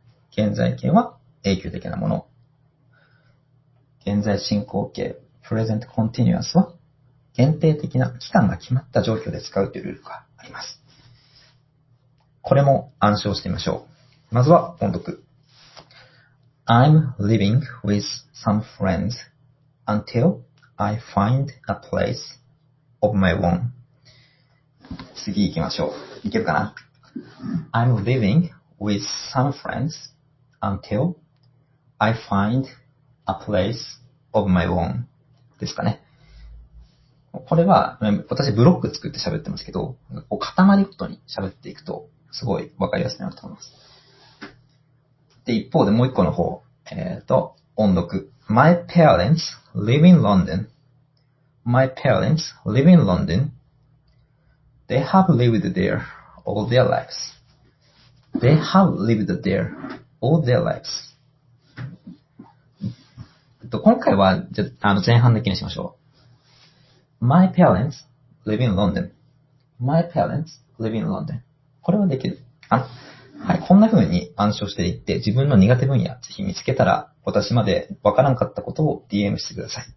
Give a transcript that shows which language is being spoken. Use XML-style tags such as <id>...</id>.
<ja>現在形は永久的なもの。現在進行形、present continuous は、限定的な期間が決まった状況で使うというルールがあります。これも暗唱してみましょう。まずは音読。</ja> <en>I'm living with some friends until I find a place of my own.</en> <ja>次行きましょう。いけるかな？</ja> <en>I'm living with some friends until I find a place of my own</en> <ja>ですかね。これは、私ブロック作って喋ってますけど、こう塊ごとに喋っていくと、すごい分かりやすいなと思います。で、一方でもう一個の方、音読。</ja> <en>My parents live in London.My parents live in London.They have lived there all their lives.They have lived there all their lives.</en> <ja>今回は、前半だけにしましょう。</ja> <en>My parents live in London.My parents live in London.</en> <ja>これはできる。はい、こんな風に暗唱していって、自分の苦手分野、ぜひ見つけたら、私までわからんかったことを DM してください。</ja>